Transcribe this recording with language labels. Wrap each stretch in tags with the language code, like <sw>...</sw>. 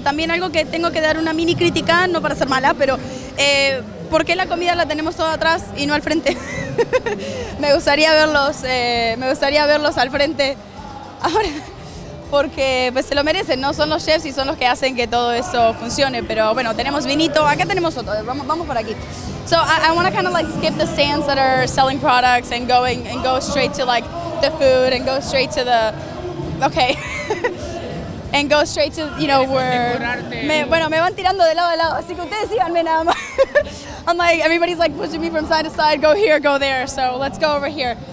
<es>También algo que tengo que dar una mini crítica, no para ser mala, pero ¿por qué la comida la tenemos toda atrás y no al frente? me gustaría verlos al frente ahora. Porque pues se lo merecen, ¿no? Son los chefs y son los que hacen que todo eso funcione. Pero bueno, tenemos vinito. Acá tenemos otro. Vamos por aquí.</es> <en>So I want to kind of like skip the stands that are selling products and going and go straight to like the food and go straight to the... Okay. and go straight to, you know, where...</en> <es>Bueno, me van tirando de lado a lado, así que ustedes síganme nada más.</es> <en>I'm like, everybody's like pushing me from side to side, go here, go there, so let's go over here.</en>